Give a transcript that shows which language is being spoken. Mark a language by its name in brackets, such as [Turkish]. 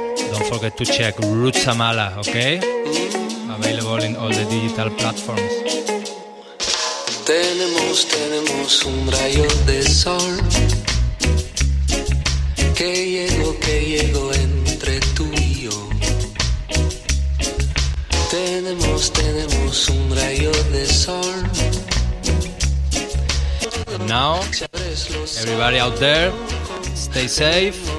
[English] Don't forget to check Roots Amala, okay? Available in all the digital platforms. [Spanish] Tenemos, tenemos un rayo de sol. Que llegó entre tú y yo. Tenemos, tenemos un rayo de sol. [English] Now, everybody out there, stay safe.